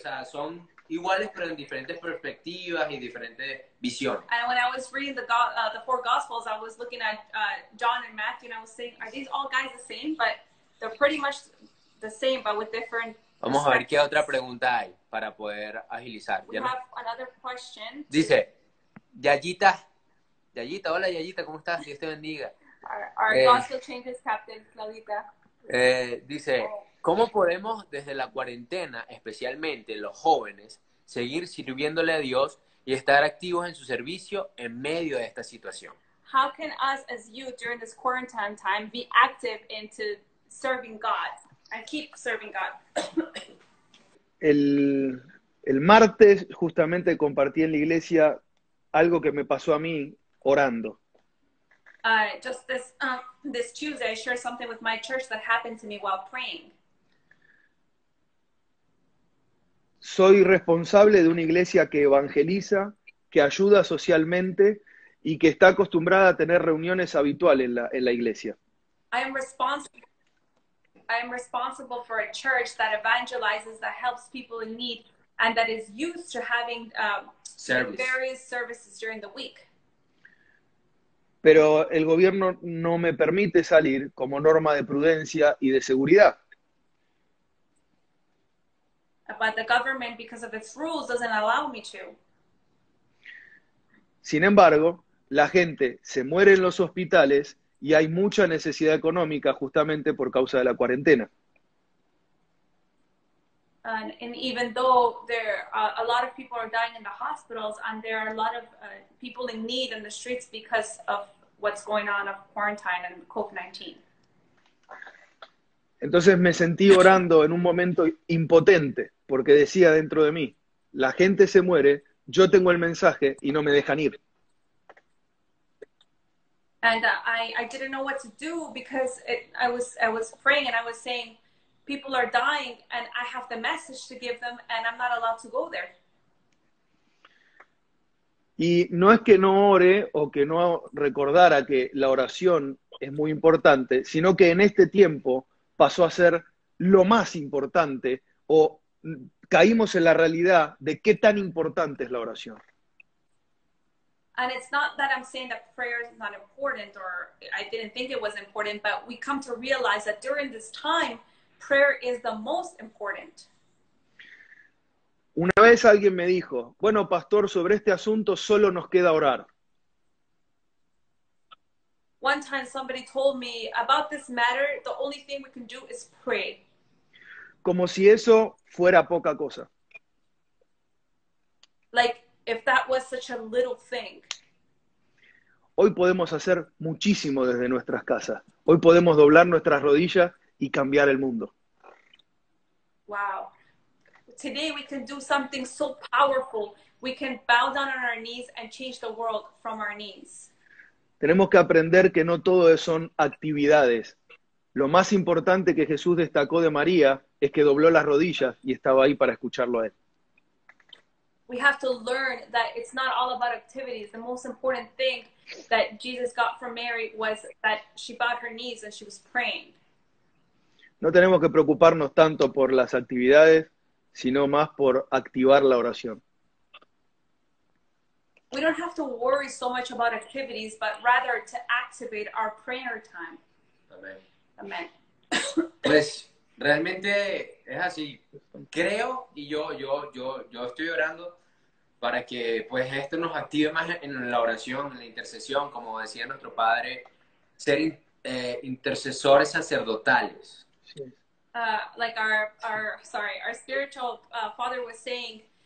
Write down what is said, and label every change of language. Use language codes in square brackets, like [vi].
[es] Son iguales, pero en diferentes perspectivas y diferentes visiones. [en] And when I was reading the four gospels, I was looking at John and Matthew, and I was saying, are these all guys the same? But they're pretty much the same, but with different... [es] Vamos a ver qué otra pregunta hay para poder agilizar. [en] We have another question. [es] Dice, Yayita... Yayita, hola Yayita, ¿cómo estás? Dios te bendiga. [en] Our gospel changes, Captain Claudita. [es] Dice, ¿cómo podemos desde la cuarentena, especialmente los jóvenes, seguir sirviéndole a Dios y estar activos en su servicio en medio de esta situación? [en] How can us as youth during this quarantine time be active into serving God and keep serving God? [es] El martes justamente compartí en la iglesia algo que me pasó a mí orando. [en] Just this Tuesday, I shared something with my church that happened to me while praying. [es] Soy responsable de una iglesia que evangeliza, que ayuda socialmente y que está acostumbrada a tener reuniones habituales en la iglesia. [en] I am responsible for a church that evangelizes, that helps people in need, and that is used to having various services during the week. [es] Pero el gobierno no me permite salir como norma de prudencia y de seguridad. [en] But the government, because of its rules, doesn't allow me to. [es] Sin embargo, la gente se muere en los hospitales y hay mucha necesidad económica justamente por causa de la cuarentena. [en] And even though there are a lot of people are dying in the hospitals and there are a lot of people in need in the streets because of what's going on of quarantine and COVID-19. [es] Entonces me sentí orando en un momento impotente, porque decía dentro de mí, la gente se muere, yo tengo el mensaje y no me dejan ir. [en] And I didn't know what to do because I was praying and I was saying, people are dying and I have the message to give them and I'm not allowed to go there. [es] Y no es que no ore o que no recordara que la oración es muy importante, sino que en este tiempo pasó a ser lo más importante o caímos en la realidad de qué tan importante es la oración. [en] And it's not that I'm saying that prayer is not important or I didn't think it was important, but we come to realize that during this time, prayer is the most important. [es] Una vez alguien me dijo, bueno, pastor, sobre este asunto solo nos queda orar. [en] One time somebody told me about this matter, the only thing we can do is pray. [es] Como si eso fuera poca cosa. [en] Like if that was such a little thing. [es] Hoy podemos hacer muchísimo desde nuestras casas. Hoy podemos doblar nuestras rodillas y cambiar el mundo. [en] Wow. Today we can do something so powerful. We can bow down on our knees and change the world from our knees. [es] Tenemos que aprender que no todo son actividades. Lo más importante que Jesús destacó de María es que dobló las rodillas y estaba ahí para escucharlo a él. [en] We have to learn that it's not all about activities. The most important thing that Jesus got from Mary was that she bowed her knees and she was praying. [es] No tenemos que preocuparnos tanto por las actividades, sino más por activar la oración. [en] We don't have to worry so much about activities, but rather to activate our prayer time. [es] Amen. Pues, realmente es así. Creo y yo estoy orando para que pues esto nos active más en la oración, en la intercesión, como decía nuestro padre, ser intercesores sacerdotales. [en] Like our spiritual father was saying.